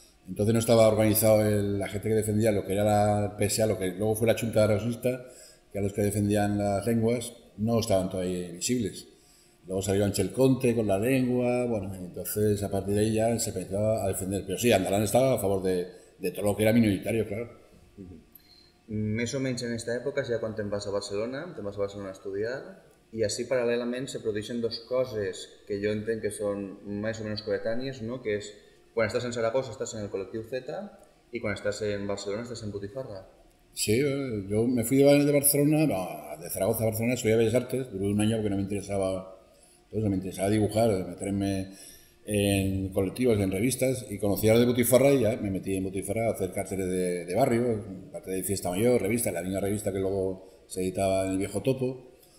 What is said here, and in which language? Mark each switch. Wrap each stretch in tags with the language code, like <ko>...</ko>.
<es>Entonces no estaba organizado la gente que defendía lo que era la PSA, lo que luego fue la Junta Aragonesa, que a los que defendían las lenguas no estaban todavía visibles. Luego salió Ángel Conte con la lengua, bueno, entonces a partir de ahí ya se empezó a defender. Pero sí, Andalán estaba a favor de todo lo que era minoritario, claro.</es> <ca>Més o menys en esta època és ja quan te'n vas a Barcelona, te'n vas a Barcelona a estudiar, i així paral·lelament se produeixen dos coses que jo entenc que són més o menys coetànies, no? Que és, quan estàs en Saragossa estàs en el col·lectiu Z i quan estàs en Barcelona estàs en Botifarra.</ca> <es>Sí, jo me fui de Barcelona, no, de Zaragoza a Barcelona, estudié Bellas Artes, duró un año porque no me interesaba. Entonces, me interesaba dibujar, meterme en colectivos, en revistas, y conocí a los de Butifarra y ya me metí en Butifarra a hacer cárceles de barrio, parte de Fiesta Mayor, revista, la misma revista que luego se editaba en el viejo Topo.</es>